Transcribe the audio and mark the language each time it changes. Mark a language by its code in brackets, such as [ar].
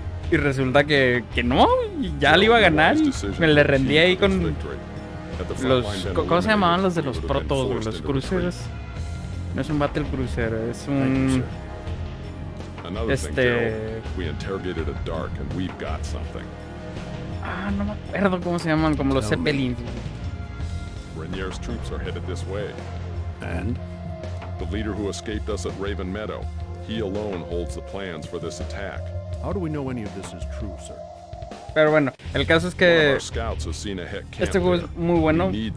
[es] Y resulta que no, ya le iba a ganar y me le rendí ahí con los, ¿cómo se llamaban los de los protos? Los cruceros. No es un Battlecruiser, es un... no me acuerdo cómo se llaman, como los Zeppelins. [en] Renier's troops are headed this way. And? The leader who escaped us at Raven Meadow. He alone holds the plans for this attack. How do we know any of this is true, sir? [es] Pero bueno, el caso es que este juego es muy bueno.